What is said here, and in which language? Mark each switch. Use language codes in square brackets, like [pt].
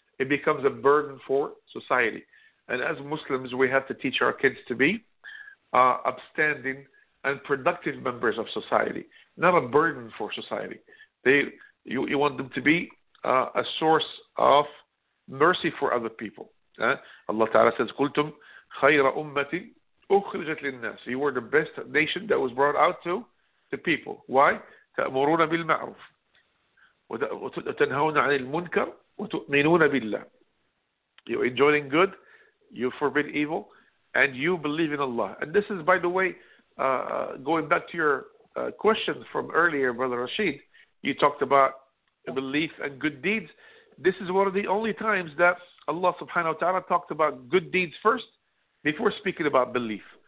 [en] It becomes a burden for society. And as Muslims, we have to teach our kids to be upstanding and productive members of society, not a burden for society. You want them to be a source of mercy for other people. Allah Ta'ala says, [ar] "Kultum khayra ummati ukhrijat lin-nas." [en] You were the best nation that was brought out to people. Why? [ar] تأمرون بالمعروف وتنهون عن المنكر وتؤمنون بالله. [en] You're enjoying good, you forbid evil, and you believe in Allah. And this is, by the way, going back to your question from earlier, Brother Rashid, you talked about belief and good deeds. This is one of the only times that Allah subhanahu wa ta'ala talked about good deeds first before speaking about belief.